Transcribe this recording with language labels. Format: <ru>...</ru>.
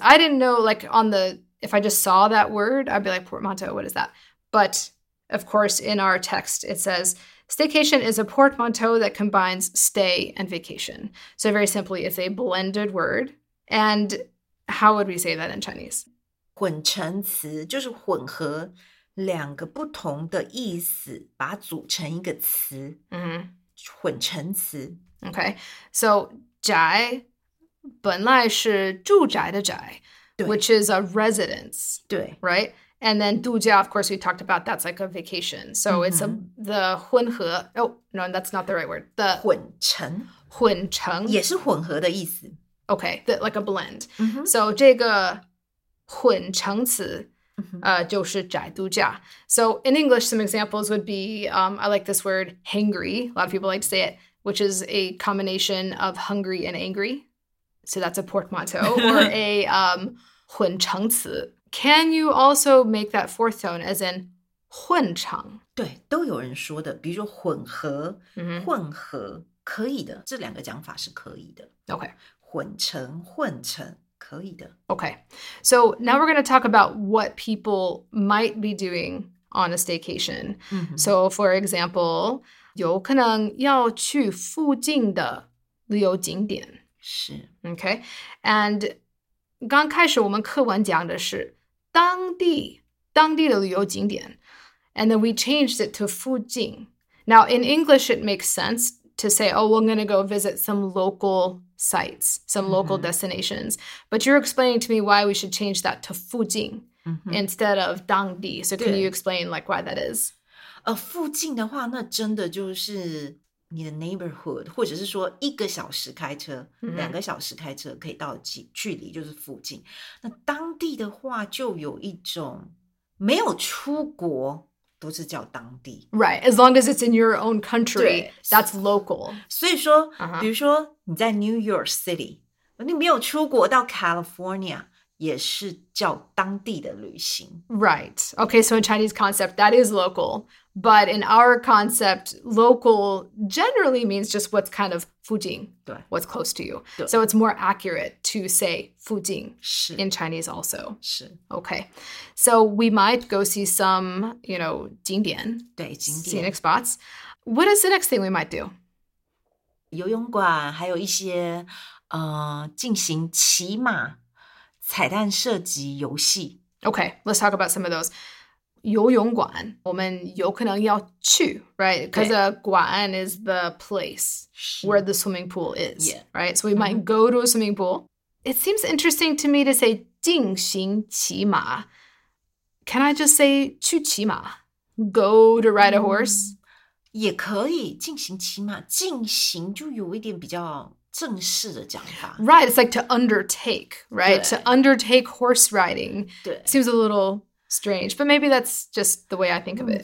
<en>I didn't know, like, on the, if I just saw that word, I'd be like, portmanteau, what is that? But, of course, in our text, it says, staycation is a portmanteau that combines stay and vacation. So very simply, it's a blended word. And how would we say that in Chinese?</en> <zh>混成词，就是混合两个不同的意思，把它组成一个词。 Mm-hmm. 混成词。</zh> <en>Okay, so</en> <zh>宅本来是住宅的宅，</zh> <en>which is a residence.</en> <zh>对，</zh> <en>right? And then 度假, of course, we talked about that's like a vacation. So、mm-hmm. it's a, the 混合, oh, no, that's not the right word. The</en> <zh>混成。混成。也是混合的意思。</zh> <en>Okay, the, like a blend.、 Mm-hmm.</en> <zh>So 这个混成词、就是宅度假。</zh> <en>So in English, some examples would be,、I like this word, hangry. A lot of people like to say it, which is a combination of hungry and angry. So that's a portmanteau or a 混成词。 Can you also make that fourth tone as in 混成？</en> <zh>对，都有人说的，比如说混合、 mm-hmm. 混合，可以的，这两个讲法是可以的。</zh> <en>Okay.</en> <zh>混成、混成。可以的。</zh> <en>Okay, so now we're going to talk about what people might be doing on a staycation.、 Mm-hmm. So for example,</en> <zh>有可能要去附近的旅游景点。是。</zh> <en>Okay, and</en> <zh>刚开始我们课文讲的是当地的旅游景点。</zh> <en>And then we changed it to</en> <zh>附近。</zh> <en>Now in English, it makes sense to say, oh, we're going to go visit some local sites, some local、mm-hmm. destinations. But you're explaining to me why we should change that to 附近、 mm-hmm. instead of 当地. So can you explain like why that is?</en> <zh>附近的话那真的就是你的 neighborhood, 或者是说一个小时开车、 mm-hmm. 两个小时开车可以到距离就是附近。那当地的话就有一种没有出国都是叫当地。</zh> <en>Right, as long as it's in your own country, that's local.</en> <zh>所以说、uh-huh. 比如说你在 New York City, 你没有出国到 California, 也是叫当地的旅行。</zh> <en>Right, okay, so in Chinese concept, that is local. But in our concept, local generally means just what's kind of 附近, what's close to you. So it's more accurate to say 附近 in Chinese also.</en> <zh>是</zh> <en>okay, so we might go see some, you know, 景点,</en> <zh>对, 景点</zh> <en>scenic spots. What is the next thing we might do?</en> <zh>游泳馆，还有一些进行骑马、彩蛋射击游戏。</zh> <en>Okay, let's talk about some of those.</en> <zh>游泳馆，我们有可能要去，</zh> <en>right? Because</en> <zh>对，</zh> <en>馆 is the place where</en> <zh>是</zh> <en>the swimming pool is, ，yeah， right? So we might go to a swimming pool. It seems interesting to me to say</en> <zh>进行骑马。</zh> <en>Can I just say</en> <zh>去骑马？</zh> <en>Go to ride a horse?</en> <zh>也可以进行骑马，进行就有一点比较正式的讲法，</zh> <en>Right, it's like to undertake, right? To</en> <zh>对，</zh> <en>undertake horse riding</en> <zh>对。</zh> <en>seems a little strange, but maybe that's just the way I think of it.</en>